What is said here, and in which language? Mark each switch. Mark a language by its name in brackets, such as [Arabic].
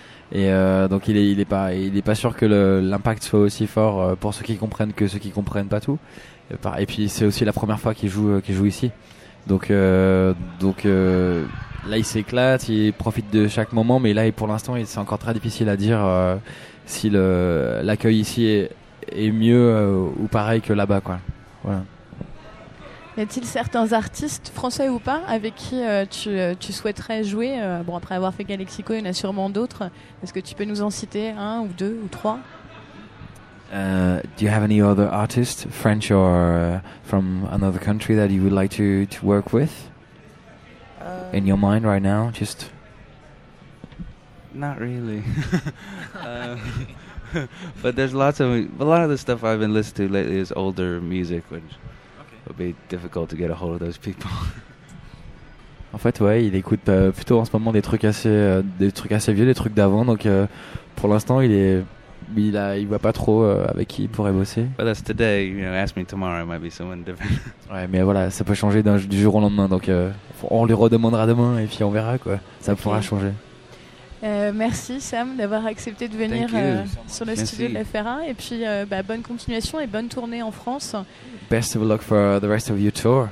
[French] et donc il est pas sûr que l'impact soit aussi fort pour ceux qui comprennent que ceux qui comprennent pas tout et puis c'est aussi la première fois qu'il joue ici donc là il s'éclate, il profite de chaque moment, mais là pour l'instant c'est encore très difficile à dire si l'accueil ici est mieux ou pareil que là-bas, quoi. Voilà. Y a-t-il certains artistes, français ou pas, avec qui tu souhaiterais jouer? Bon, après avoir fait Galexico, il y en a sûrement d'autres. Est-ce que tu peux nous en citer un ou deux ou trois? [English] Do you have any other artists, French or from another country, that you would like to work with? In your mind right now, just... Not really. But there's a lot of the stuff I've been listening to lately is older music, which would be difficult to get a hold of those people. [French] En fait, ouais, il écoute plutôt en ce moment des trucs assez vieux, des trucs d'avant. Donc, pour l'instant, il voit pas trop avec qui il pourrait bosser. [English] But that's today. You know, ask me tomorrow, it might be someone different. [French] Ouais, mais voilà, ça peut changer du jour au lendemain. Donc, on lui redemandera demain et puis on verra quoi. Ça pourra changer. Merci Sam d'avoir accepté de venir sur le studio de la FRA et puis bonne continuation et bonne tournée en France. [English] Best of luck for the rest of your tour.